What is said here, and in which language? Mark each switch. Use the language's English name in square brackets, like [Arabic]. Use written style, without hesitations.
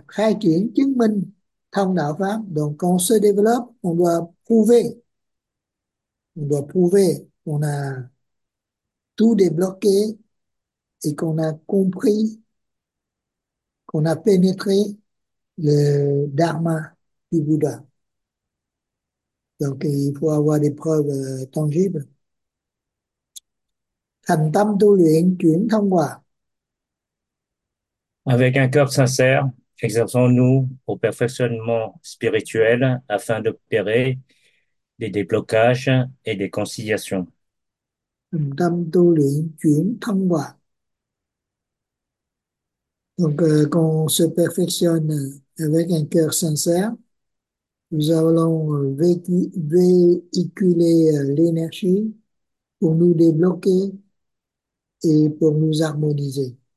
[Vietnamese] Khai triển chứng minh thông đạo pháp. [French] Donc, quand on se développe, on doit prouver. On doit prouver qu'on a tout débloqué et qu'on a compris, qu'on a pénétré le dharma du Bouddha. Donc, il faut avoir des preuves tangibles. [Vietnamese] Thành tâm tu luyện chuyển thông qua. [French] Avec un cœur sincère, exerçons-nous au perfectionnement spirituel afin d'opérer des déblocages et des conciliations. [Vietnamese] Thành tâm tu luyện chuyển thông qua. [French] Donc, quand on se perfectionne avec un cœur sincère, Nous allons véhiculer l'énergie pour nous débloquer et pour nous harmoniser.